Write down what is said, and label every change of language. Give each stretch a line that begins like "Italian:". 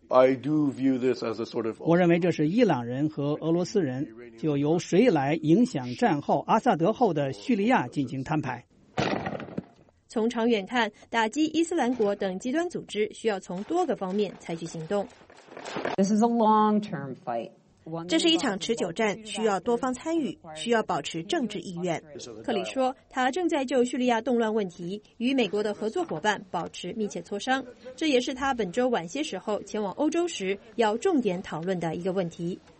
Chinese: 我认为这是伊朗人和俄罗斯人就由谁来影响战后阿萨德后的叙利亚进行摊牌。从长远看，打击伊斯兰国等极端组织需要从多个方面采取行动。
English: This is a long-term fight.
Chinese: 这是一场持久战，需要多方参与，需要保持政治意愿。克里说，他正在就叙利亚动乱问题与美国的合作伙伴保持密切磋商，这也是他本周晚些时候前往欧洲时要重点讨论的一个问题。